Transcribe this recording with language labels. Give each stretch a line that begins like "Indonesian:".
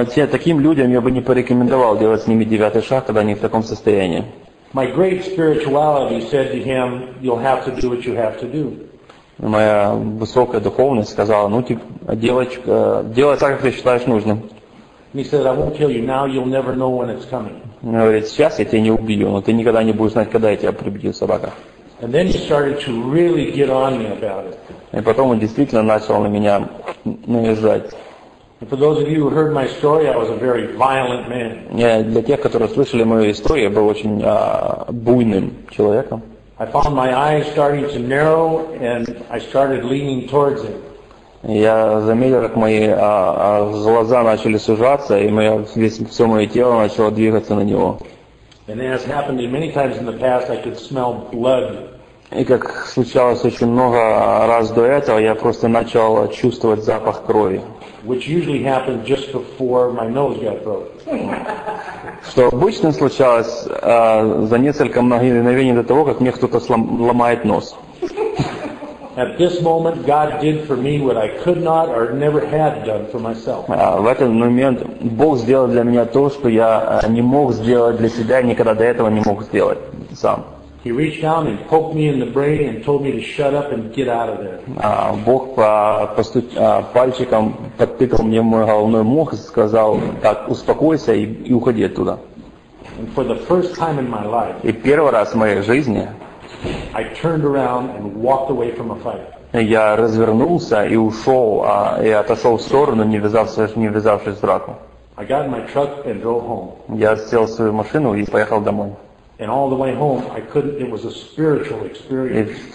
Russian: Таким людям я бы не порекомендовал делать с ними девятый шаг, когда они в таком состоянии.
English: My great spirituality said to him, "You'll have to do what you have to do."
Russian: Моя высокая духовность сказала, делай так, как ты считаешь нужным.
English: He said, "I won't kill you now. You'll never know when it's coming."
Russian: Он говорит, сейчас я тебя не убью, но ты никогда не будешь знать, когда я тебя прибью, собака.
English: And then he started to really get on me about it.
Russian: И потом он действительно начал на меня наезжать.
English: And for those of you who heard my story, I was a very violent man.
Russian: Для тех, которые слышали мою историю, я был очень буйным человеком.
English: I found my eyes starting to narrow, and I started leaning towards him.
Russian: Я заметил, как мои глаза начали сужаться, и все мое тело начало двигаться на него.
English: And as happened many times in the past, I could smell blood.
Russian: И как случалось очень много раз до этого, я просто начал чувствовать запах крови.
English: Which usually happened just before my nose got broke.
Russian: Что обычно случалось за несколько мгновений до того, как мне кто-то ломает нос.
English: At this moment, God did for me what I could not or never had done for myself.
Russian: В этот момент Бог сделал для меня то, что я не мог сделать для себя, никогда до этого не мог сделать сам.
English: He reached down and poked me in the brain and told me to shut up and get out of there.
Russian: Бог пальчиком подтыкал мне мой головной мозг и сказал, так, успокойся и уходи оттуда.
English: And for the first time in my life,
Russian: и первый раз в моей жизни,
English: I turned around and walked away from a fight.
Russian: Я развернулся и ушел, и отошел в сторону, не ввязавшись в драку.
English: I got in my truck and drove home.
Russian: Я сел в свою машину и поехал домой.
English: And all the way home, I couldn't. It was a spiritual experience.